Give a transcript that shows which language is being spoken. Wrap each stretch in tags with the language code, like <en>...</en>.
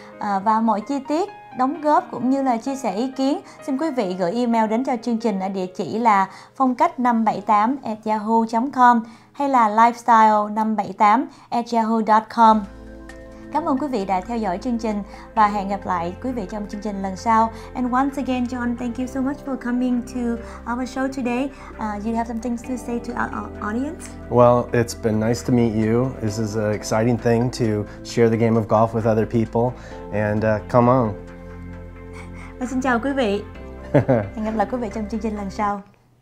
<vi>Và mọi chi tiết, đóng góp cũng như là chia sẻ ý kiến, xin quý vị gửi email đến cho chương trình ở địa chỉ là phongcach578@yahoo.com hay là lifestyle578@yahoo.com. Cảm ơn quý vị đã theo dõi chương trình và hẹn gặp lại quý vị trong chương trình lần sau.</vi> <en>And once again, John, thank you so much for coming to our show today. Do you have some things to say to our audience? Well, it's been nice to meet you. This is an exciting thing to share the game of golf with other people. And come on.</en> <vi>Và xin chào quý vị. Hẹn gặp lại quý vị trong chương trình lần sau.</vi>